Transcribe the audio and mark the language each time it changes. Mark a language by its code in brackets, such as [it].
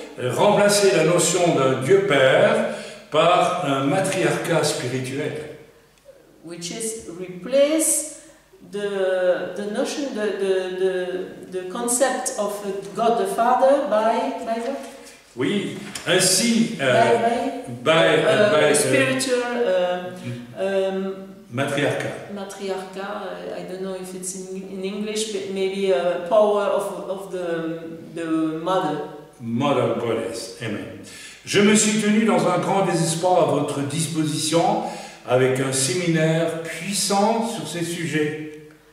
[fr] Remplacer la notion d'un Dieu Père par un matriarcat spirituel. [en] Which is replace the notion the concept of God the Father by what? [fr] Oui, ainsi [en] by spiritual [fr] matriarcat. [en] Matriarcat, I don't know if it's in English, but maybe a power of the mother. Mother goddess, amen. [fr] Je me suis tenu dans un grand désespoir à votre disposition avec un séminaire puissant sur ces sujets.